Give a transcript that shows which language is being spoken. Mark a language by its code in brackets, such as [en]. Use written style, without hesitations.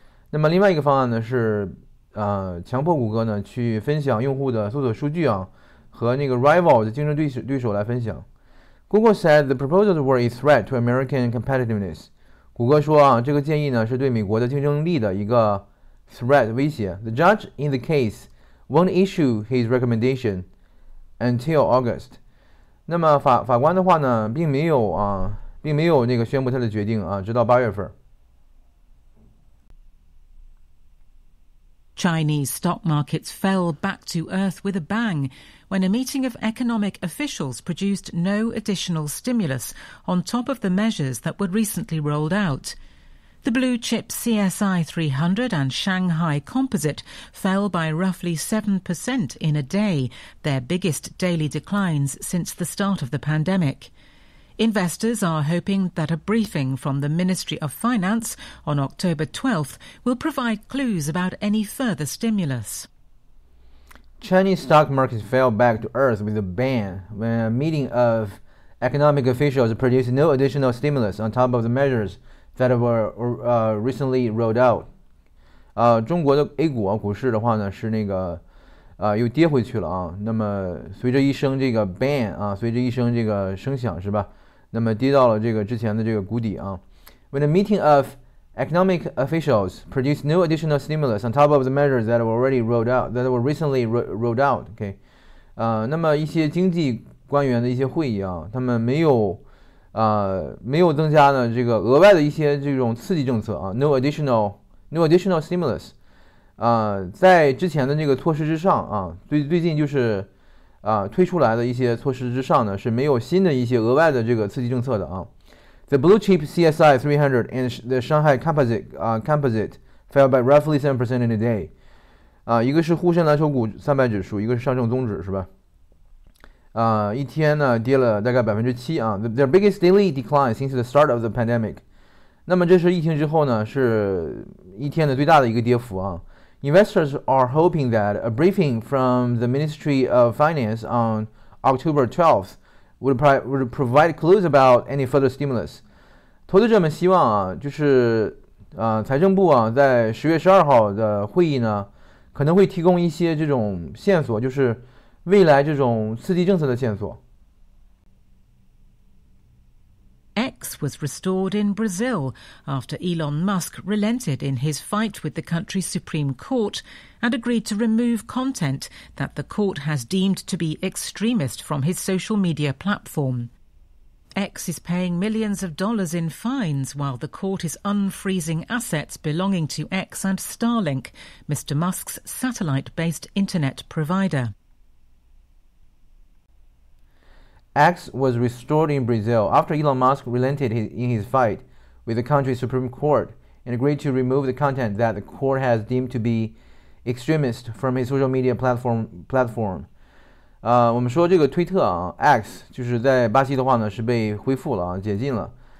[zh] 那么另外一个方案呢是。强迫谷歌呢去分享用户的搜索数据啊，和那个 rival 的竞争对手来分享。 [en] Google said the proposals were a threat to American competitiveness. [zh] 谷歌说啊，这个建议呢是对美国的竞争力的一个 threat 威胁。 [en] The judge in the case won't issue his recommendation until August. [zh] 那么法官的话呢，并没有那个宣布他的决定啊，直到八月份。 [en] Chinese stock markets fell back to earth with a bang when a meeting of economic officials produced no additional stimulus on top of the measures that were recently rolled out. The blue-chip CSI 300 and Shanghai Composite fell by roughly 7% in a day, their biggest daily declines since the start of the pandemic. Investors are hoping that a briefing from the Ministry of Finance on October 12th will provide clues about any further stimulus. Chinese stock markets fell back to earth with a bang when a meeting of economic officials produced no additional stimulus on top of the measures that were recently rolled out. [zh] 中国的 A 股啊，股市的话呢，是那个又跌回去了啊。那么随着一声这个 bang 啊，随着一声这个声响是吧？那么跌到了这个之前的这个谷底啊。 [en] When a meeting of economic officials produced no additional stimulus on top of the measures that were already rolled out, that were recently rolled out, okay. [zh] 那么一些经济官员的一些会议啊，他们没有增加呢这个额外的一些这种刺激政策啊。 [en] No additional stimulus. [zh] 在之前的这个措施之上啊，最近就是。推出来的一些措施之上呢，是没有新的一些额外的这个刺激政策的啊。 [en] The blue chip CSI 300 and the Shanghai Composite fell by roughly 7% in a day. [zh] 一个是沪深蓝筹股300指数，一个是上证综指，是吧？一天呢跌了大概7%啊， [en] their biggest daily decline since the start of the pandemic。 [zh] 那么这是疫情之后呢，是一天的最大的一个跌幅啊。 [en] Investors are hoping that a briefing from the Ministry of Finance on October 12th would provide clues about any further stimulus。 [zh] 投资者们希望啊，就是财政部啊，在10月12号的会议呢，可能会提供一些这种线索，就是未来这种刺激政策的线索。 [en] X was restored in Brazil after Elon Musk relented in his fight with the country's Supreme Court and agreed to remove content that the court has deemed to be extremist from his social media platform. X is paying millions of dollars in fines while the court is unfreezing assets belonging to X and Starlink, Mr. Musk's satellite-based internet provider. X was restored in Brazil after Elon Musk relented in his fight with the country's Supreme Court and agreed to remove the content that the court has deemed to be extremist from his social media platform. [zh] 我们说这个推特啊，X 就是在巴西的话呢是被恢复了啊，解禁了。